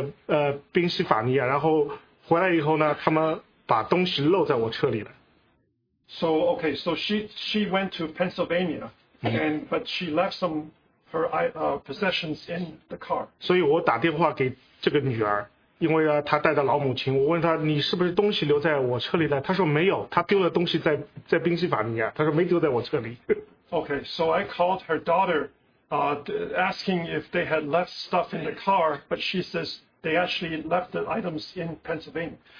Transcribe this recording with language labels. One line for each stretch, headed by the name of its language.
Chinese: 然后呢，他们租好车以后，他们去了宾夕法尼亚，然后回来以后呢，他们。把东西漏在我车里了。So
English: okay, so she went to Pennsylvania, and but she left some her possessions in the car.
Chinese: 所以我打电话给这个女儿，因为她带着老母亲，我问她你是不是东西留在我车里了？她说没有，她丢了东西在宾夕法尼亚，她说没丢在我车里。Okay,
English: so I called her daughter, asking if they had left stuff in the car, but she says they actually left the items in Pennsylvania.